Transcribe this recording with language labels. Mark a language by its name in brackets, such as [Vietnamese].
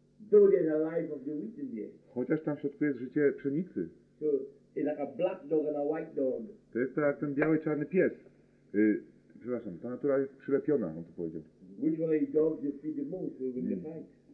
[English] Though there's a life of the wheat in there. [Polish] Chociaż tam w środku jest życie pszenicy. [English] It's like a black dog and a white dog. [Polish] To jest tak jak ten biały, czarny pies. Przepraszam, ta natura jest przylepiona, on to powiedział. [English] Which one of the dogs you feed the most will win the fight?